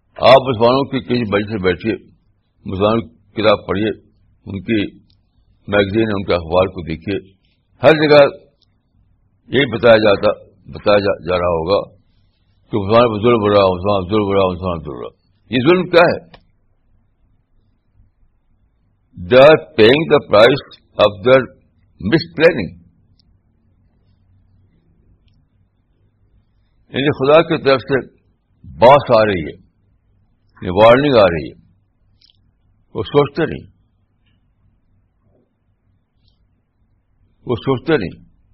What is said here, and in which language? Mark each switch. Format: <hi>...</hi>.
<ur>آپ مسلمانوں کی کسی بجے سے بیٹھیے, مسلمانوں کی کتاب پڑھیے, ان کی میگزین, ان کے اخبار کو دیکھیے, ہر جگہ یہی بتایا جا رہا ہوگا کہ مسلمان ظلم ہو رہا, مسلمان ظلم ہو رہا. یہ ظلم کیا ہے؟</ur> <en>They are paying the price of their misplanning.</en> <ur>یعنی خدا کی طرف سے باس آ رہی ہے, وارننگ آ رہی ہے, وہ سوچتے نہیں.</ur>